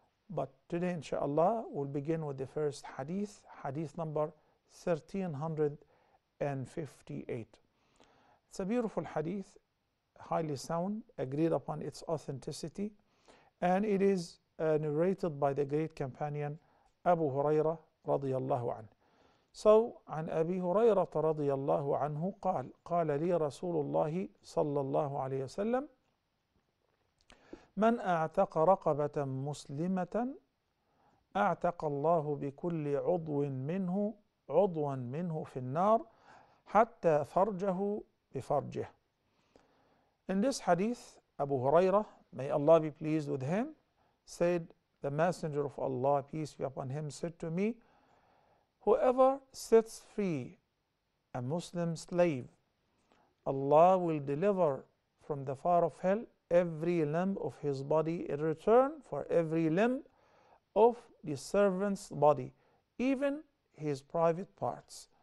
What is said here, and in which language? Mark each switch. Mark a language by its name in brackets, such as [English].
[English] But today, inshallah, we'll begin with the first hadith, hadith number 1358. It's a beautiful hadith, highly sound, agreed upon its authenticity, and it is narrated by the great companion Abu Huraira radiyallahu anhu. [Arabic] So, عن أبي هريرة رضي الله عنه قال قال لي رسول الله صلى الله عليه وسلم من أعتق رقبة مسلمة أعتق الله بكل عضو منه عضوا منه في النار حتى فرجه بفرجه. [English] In this hadith, Abu Huraira, may Allah be pleased with him, said, the Messenger of Allah, peace be upon him, said to me, whoever sets free a Muslim slave, Allah will deliver from the fire of hell every limb of his body in return for every limb of the servant's body, even his private parts.